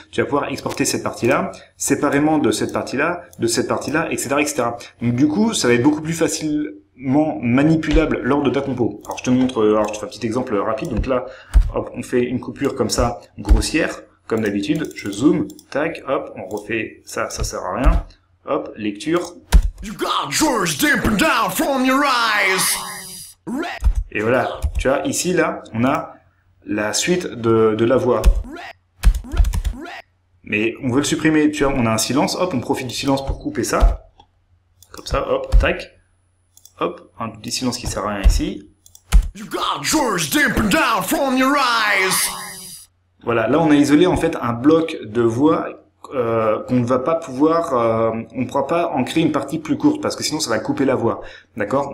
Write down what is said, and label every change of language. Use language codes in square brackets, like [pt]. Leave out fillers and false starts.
[fr] Tu vas pouvoir exporter cette partie-là, séparément de cette partie-là, etc., etc. Donc du coup, ça va être beaucoup plus facilement manipulable lors de ta compo. Alors je te montre, je te fais un petit exemple rapide. Donc là, hop, on fait une coupure comme ça, grossière, comme d'habitude. Je zoome, tac, hop, on refait ça, ça sert à rien. Hop, lecture. [en] You got yours dipping down from your eyes. [fr] Et voilà, tu vois, ici, là, on a la suite de la voix. Mais on veut le supprimer, tu vois, on a un silence, hop, on profite du silence pour couper ça. Comme ça, hop, tac. Hop, un petit silence qui sert à rien ici. [en] You got yours dipping down from your eyes. [fr] Voilà, là, on a isolé, en fait, un bloc de voix. Qu'on ne va pas pouvoir, on ne pourra pas en créer une partie plus courte parce que sinon ça va couper la voix, d'accord.